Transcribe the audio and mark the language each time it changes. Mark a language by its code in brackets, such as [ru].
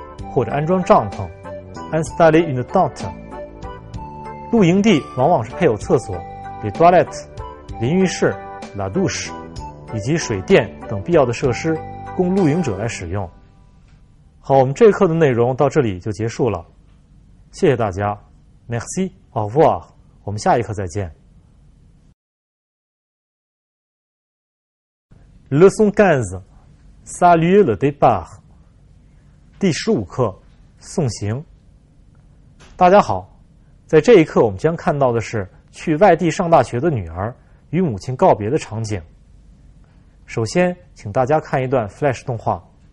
[zh] 或者安装帐篷 [fr] installer une tente。 [zh] 露营地往往是配有厕所 [fr] les toilettes [zh] 淋浴室 [fr] la douche [zh] 以及水电等必要的设施供露营者来使用。好，我们这课的内容到这里就结束了，谢谢大家。 [fr] Merci, au revoir, [zh] 我们下一课再见。 [fr] Leçon 15 Saluer le départ [zh] 第十五课送行。大家好，在这一课我们将看到的是去外地上大学的女儿与母亲告别的场景。首先请大家看一段 Flash 动画。